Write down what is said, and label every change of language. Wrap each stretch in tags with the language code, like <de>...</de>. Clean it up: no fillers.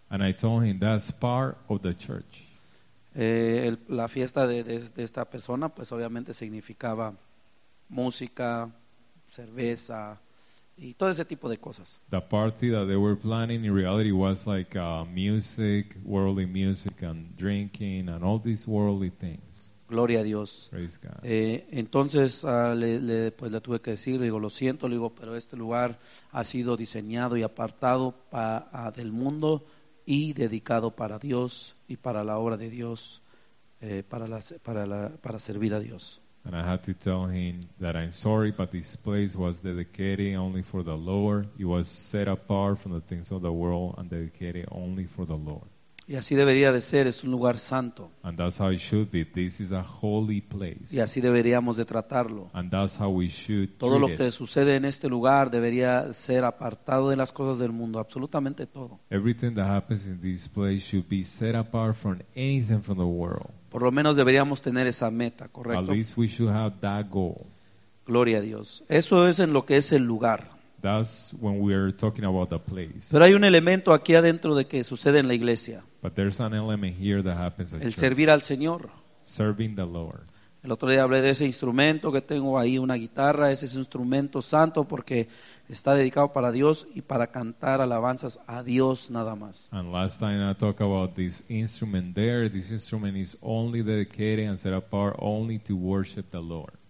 <en>And I told him, that's part of the church.</en> <es>La fiesta de esta persona, pues obviamente significaba música, cerveza, y todo ese tipo de cosas.</es> <en>The party that they were planning in reality was like music, worldly music and drinking and all these worldly things.</en> <es>Gloria a Dios.</es> <en>Praise God.</en> <es>Entonces le tuve que decir, digo, lo siento, le digo, pero este lugar ha sido diseñado y apartado del mundo y dedicado para Dios y para la obra de Dios, para servir a Dios.</es> <en>And I had to tell him that I'm sorry, but this place was dedicated only for the Lord. It was set apart from the things of the world and dedicated only for the Lord.</en> <es>Y así debería de ser, es un lugar santo.</es> <en>And that's how it should be. This is a holy place.</en> <es>Y así deberíamos de tratarlo.</es> <en>And that's how we should treat it.</en> <es>Todo lo que sucede en este lugar debería ser apartado de las cosas del mundo, absolutamente todo.</es> <en>Everything that happens in this place should be set apart from anything from the world.</en> <es>Por lo menos deberíamos tener esa meta, ¿correcto?</es> <en>At least we should have that goal.</en> <es>Gloria a Dios. Eso es en lo que es el lugar.</es> <en>That's when we are talking about the place.</en> <es>Pero hay un elemento aquí adentro de que sucede en la iglesia.</es> <en>But there's an element here that happens at</en> <es>el servir</es> <en>church.</en> <es>Al Señor.</es> <en>Serving the Lord.</en> <es>El otro día hablé de ese instrumento que tengo ahí, una guitarra. Ese es un instrumento santo porque está dedicado para Dios y para cantar alabanzas a Dios nada más.</es> <en>And last time I talked about this instrument there. This instrument is only dedicated and set apart only to worship the Lord.</en>